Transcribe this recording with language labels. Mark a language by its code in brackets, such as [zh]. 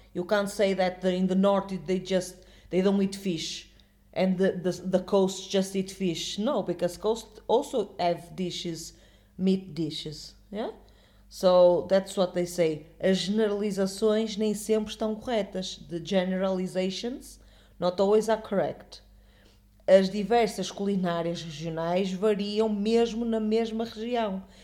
[en] You can't say that in the north they don't eat fish. And the coast just eat fish. No, because coast also have dishes, meat dishes. Yeah? So that's what they say. [pt] As generalizações nem sempre estão corretas. [en] The generalizations not always are correct. [pt] As diversas culinárias regionais variam mesmo na mesma região.